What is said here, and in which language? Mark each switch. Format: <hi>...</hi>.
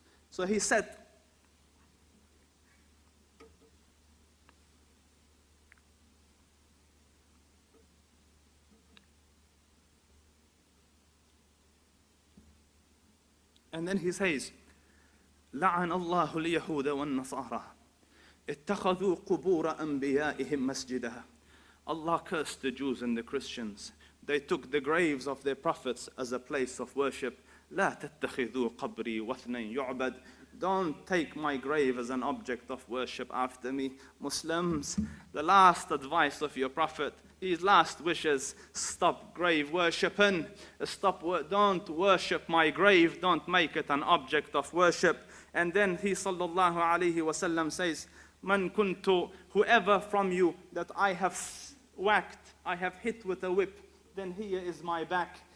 <en>So he said, and then he says,</en> <ar>لعن الله اليهود والنصارى اتخذوا قبور أنبيائهم مسجدا.</ar> <en>Allah cursed the Jews and the Christians. They took the graves of their prophets as a place of worship.</en> <ar>لا تتخذوا قبري واثنين يعبد.</ar> <en>Don't take my grave as an object of worship after me. Muslims, the last advice of your prophet, his last wishes, stop grave worshipping. Stop, don't worship my grave. Don't make it an object of worship. And then he sallallahu alayhi wa sallam says, Man kuntu, whoever from you that I have whacked, I have hit with a whip, then here is my back.</en>